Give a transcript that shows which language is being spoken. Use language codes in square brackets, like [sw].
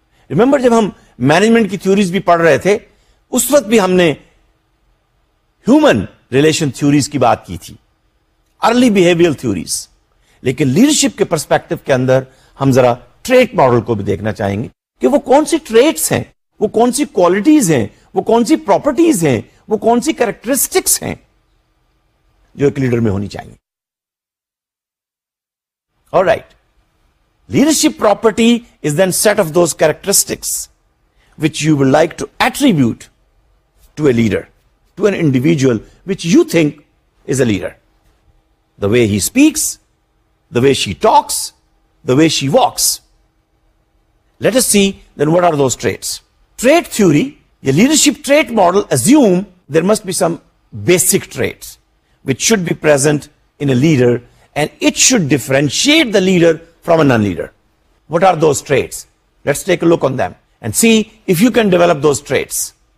[ur] Remember جب ہم management کی تھیوریز بھی پڑھ رہے تھے, اس وقت بھی ہم نے ہیومن ریلیشن تھیوریز کی بات کی تھی, ارلی بیہیویئر تھیوریز. لیکن لیڈرشپ کے پرسپیکٹو کے اندر ہم ذرا ٹریٹ ماڈل کو بھی دیکھنا چاہیں گے کہ وہ کون سی ٹریٹس ہیں, وہ کون سی کوالٹیز ہیں, وہ کون سی پراپرٹیز ہیں, وہ کون سی کریکٹرسٹکس ہیں جو ایک لیڈر میں ہونی چاہیے. [en] All right, leadership property is then set of those characteristics which you would like to attribute to a leader, to an individual which you think is a leader. The way he speaks, the way she talks, the way she walks. Let us see then what are those traits. Trait theory, leadership trait model, axiom there must be some basic traits which should be present in a leader and it should differentiate the leader from a non leader. What are those traits? Let's take a look on them and see if you can develop those traits.